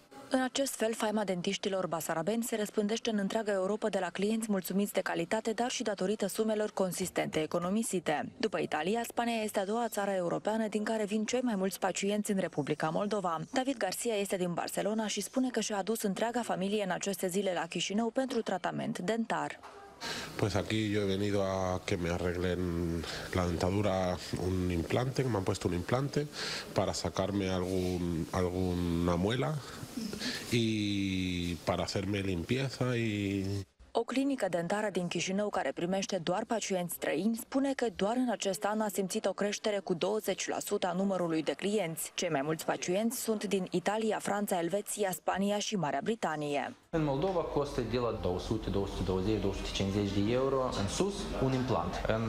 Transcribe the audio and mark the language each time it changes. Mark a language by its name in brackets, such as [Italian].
[Romanian] În acest fel, faima dentiștilor basarabeni se răspândește în întreaga Europa de la clienți mulțumiți de calitate, dar și datorită sumelor consistente economisite. După Italia, Spania este a doua țară europeană din care vin cei mai mulți pacienți în Republica Moldova. David Garcia este din Barcelona și spune că și-a adus întreaga familie în aceste zile la Chișinău pentru tratament dentar. [Spanish] Pues aquí yo he venido a que me arreglen la dentadura, un implante, que me han puesto un implante para sacarme alguna muela y para hacerme limpieza y... [Romanian] O clinică dentară din Chișinău, care primește doar pacienți străini, spune că doar în acest an a simțit o creștere cu 20% a numărului de clienți. Cei mai mulți pacienți sunt din Italia, Franța, Elveția, Spania și Marea Britanie. În Moldova costă de la 200, 220, 250 de euro în sus un implant.